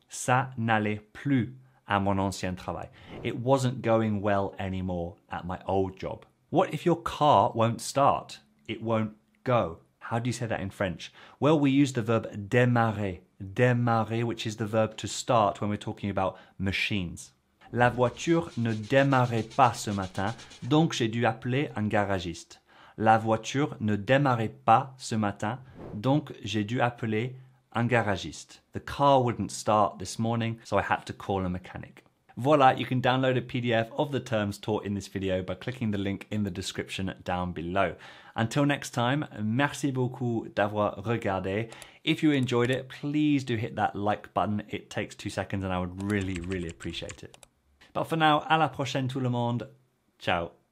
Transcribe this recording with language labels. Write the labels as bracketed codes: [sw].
[fr] Ça n'allait plus à mon ancien travail. [en] It wasn't going well anymore at my old job. What if your car won't start? It won't go. How do you say that in French? Well, we use the verb démarrer. Démarrer, which is the verb to start when we're talking about machines. [fr] La voiture ne démarrait pas ce matin, donc j'ai dû appeler un garagiste. La voiture ne démarrait pas ce matin, donc j'ai dû appeler un garagiste. [en] The car wouldn't start this morning, so I had to call a mechanic. Voilà, you can download a PDF of the terms taught in this video by clicking the link in the description down below. Until next time, [fr] merci beaucoup d'avoir regardé. [en] If you enjoyed it, please do hit that like button. It takes 2 seconds and I would really, really appreciate it. But for now, [fr] à la prochaine tout le monde. [en] Ciao.